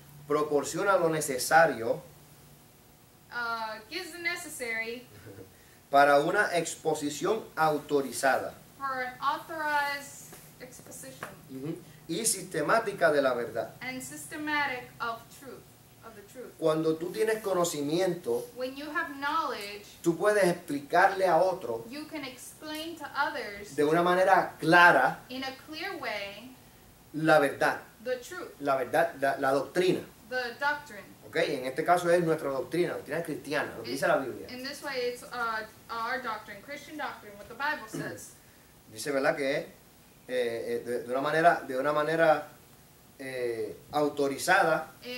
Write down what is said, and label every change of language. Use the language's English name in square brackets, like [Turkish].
[Spanish] Proporciona lo necesario. [English] Gives the necessary. [Spanish] Para una exposición autorizada. [English] For an authorized exposition. Mm-hmm. [Spanish] Y sistemática de la verdad. [English] And systematic of truth, of the truth. [Spanish] Cuando tú tienes conocimiento, [English] when you have knowledge, [Spanish] tú puedes explicarle a otro, [English] you can explain to others, [Spanish] de una manera clara, [English] in a clear way, [Spanish] la verdad, [English] the truth, [Spanish] la verdad, la doctrina. [English] The doctrine. [Spanish] Okay, en este caso es nuestra doctrina, doctrina cristiana, lo que dice la Biblia. [English] In this way it's our doctrine, Christian doctrine, what the Bible says. [Spanish] Dice, ¿verdad que es? De una manera autorizada.